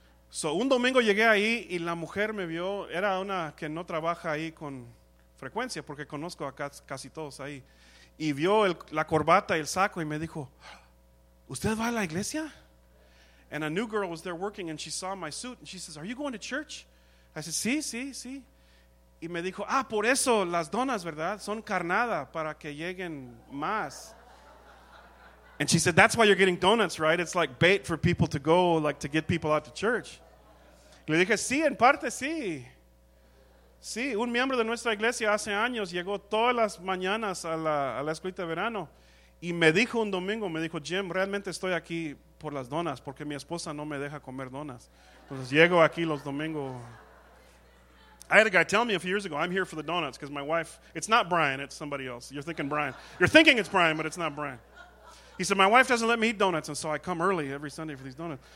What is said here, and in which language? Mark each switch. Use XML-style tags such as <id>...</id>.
<es>So, un domingo llegué ahí y la mujer me vio. Era una que no trabaja ahí con frecuencia porque conozco a casi todos ahí. Y vio la corbata y el saco y me dijo, ¿usted va a la iglesia?</es> <en>And a new girl was there working and she saw my suit and she says, are you going to church? I said,</en> <es>sí, sí, sí. Y me dijo, ah, por eso las donas, ¿verdad? Son carnada para que lleguen más.</es> <en>And she said, that's why you're getting donuts, right? It's like bait for people to go, like to get people out to church.</en> <es>Y le dije, sí, en parte sí. Sí, un miembro de nuestra iglesia hace años llegó todas las mañanas a la escuelita de verano y me dijo un domingo, me dijo, Jim, realmente estoy aquí por las donas porque mi esposa no me deja comer donas. Entonces llego aquí los domingos.</es> <en>I had a guy tell me a few years ago, I'm here for the donuts because my wife, it's not Brian, it's somebody else. You're thinking Brian. You're thinking it's Brian, but it's not Brian. He said, my wife doesn't let me eat donuts, and so I come early every Sunday for these donuts.</en>